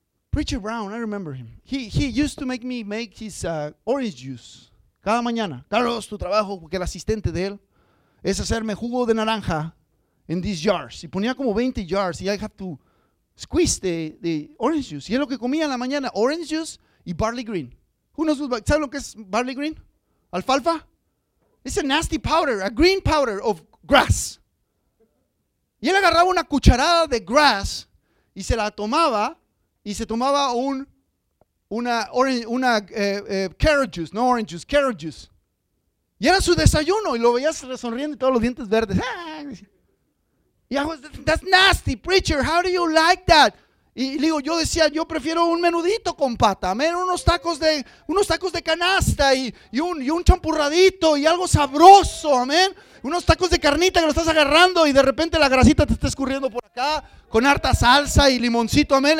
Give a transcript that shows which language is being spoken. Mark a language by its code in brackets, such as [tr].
[en] Preacher Brown, I remember him. He used to make me make his orange juice [es] cada mañana. Carlos, tu trabajo, porque el asistente de él es hacerme jugo de naranja en these jars. Y ponía como 20 jars y [en] I have to squeeze the orange juice. [es] Y es lo que comía en la mañana, [en] orange juice [es] y barley green. ¿Sabes lo que es barley green? ¿Alfalfa? [en] It's a nasty powder, a green powder of grass. [es] Y él agarraba una cucharada de grass y se la tomaba. Y se tomaba una [en] carrot juice, no orange juice, carrot juice. [es] Y era su desayuno, y lo veías sonriendo y todos los dientes verdes. Y [en] I was, that's nasty, preacher, how do you like that? [es] Y digo, yo decía, yo prefiero un menudito con pata, amén, unos tacos de canasta y un champurradito y algo sabroso, amén. Unos tacos de carnita que lo estás agarrando y de repente la grasita te está escurriendo por acá con harta salsa y limoncito, amén.